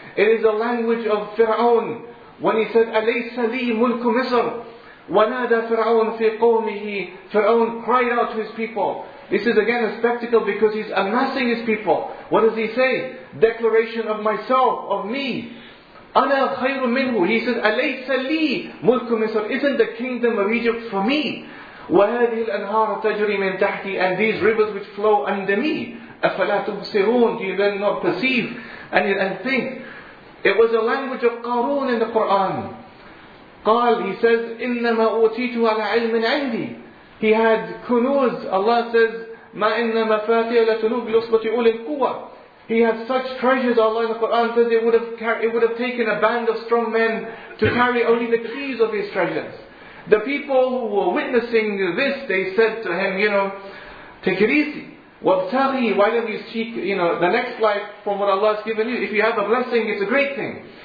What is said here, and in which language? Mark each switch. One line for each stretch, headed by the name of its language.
English: It is the language of Fir'aun when he said,
Arabic: أَلَيْسَ لِي مُلْكُ مِصْرٍ. وَنَادَى فِرْعَوْنُ فِي قَوْمِهِ.
English: Fir'aun cried out to his people. This is again a spectacle because he's amassing his people. What does he say? Declaration of myself, of me.
Arabic: أَنَا خَيْرٌ مِنْهُ.
English: He says,
Arabic: أَلَيْسَ لِي مُلْكُ مِصْرٍ.
English: Isn't the kingdom of Egypt for me?
Arabic: وَهَذِهِ الْأَنْهَارُ تَجْرِي مِنْ تَحْتِي.
English: And these rivers which flow under me.
Arabic: أَفَلَا تُبْصِرُونَ.
English: Do you then not perceive and think? It was a language of Qarun in the Quran.
Arabic: قال,
English: he says,
Arabic: إِنَّمَا أُوتِيتُ عَلَى عِلْمٍ عِنْدِي.
English: He had kunuz. Allah says,
Arabic: مَا إِنَّ مَفَاتِيَ لَتُنُوْ بِلُصْبَةِ أُولِ الْقُوَى.
English: He has such treasures, Allah in the Quran says, it would have taken a band of strong men to carry only the keys of his treasures. The people who were witnessing this, they said to him, you know, take it easy. Wabtaghi, why don't you seek, you know, the next life from what Allah has given you? If you have a blessing, it's a great thing.